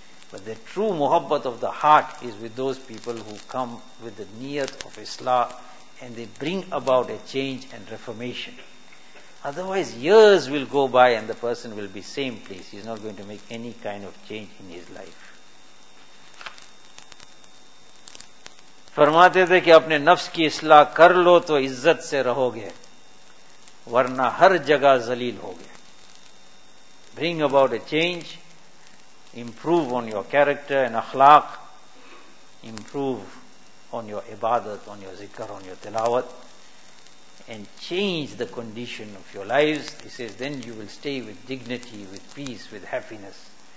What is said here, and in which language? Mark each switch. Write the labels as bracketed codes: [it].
[en] But the true muhabbat of the heart is with those people who come with the niyat of islah and they bring about a change and reformation. Otherwise years will go by and the person will be same place. He's not going to make any kind of change in his life. [ur] فرماتے تھے کہ اپنے نفس کی اصلاح کر لو تو عزت سے رہو گے ورنہ ہر جگہ ذلیل ہو گے. [en] Bring about a change, improve on your character and اخلاق, improve on your عبادت, on your ذکر, on your تلاوت, and change the condition of your lives. He says then you will stay with dignity, with peace, with happiness.